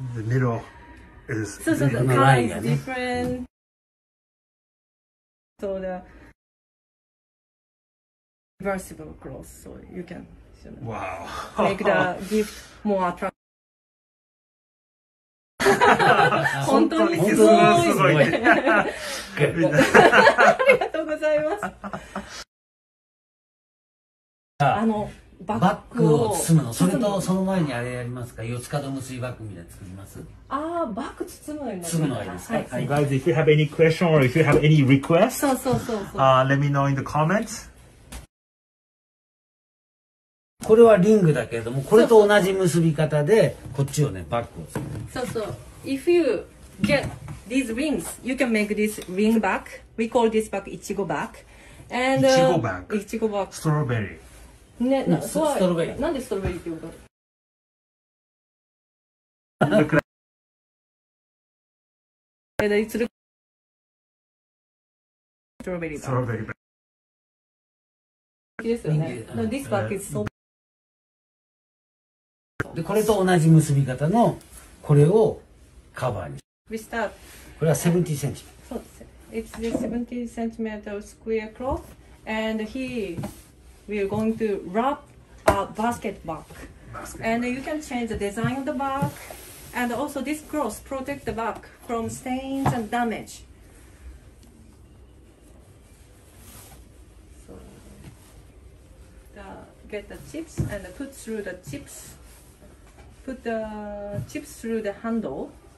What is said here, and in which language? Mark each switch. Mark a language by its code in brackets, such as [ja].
[en] The middle is so so the color is different. So the reversible cross, so you can make the gift more attractive. [ja] 本当にすごい。ありがとうございます。あのバッグを包むの、それとその前にあれやりますか、四つ角結びバッグみたいな作ります。ああ、バッグ包むの。包むのはいいですか。 [en] Guys, if you have any question or if you have any request, let me know in the comments. [ja] これはリングだけれども、これと同じ結び方でこっちをねバッグをする。そうそう。 [en] If you get these rings, you can make this ring bag. We call this bag いちごバッグ。And [ja] いちごバッグ。いちごバッグ。ストロベリー。ね、な、そう。ストロベリー。なんでストロベリーって言うの？ストロベリー。ストロベリー。 [en] Yes. No, this bag is so. [ja] でこれと同じ結び方のこれをカバーにしたこれは70センチそうです [en] It's the 70 centimeter square cloth and he will going to wrap a basket bag and you can change the design of the bag and also this cloth protect the bag from stains and damage so the, get the chips and put through the chipsPut the chips through the handle.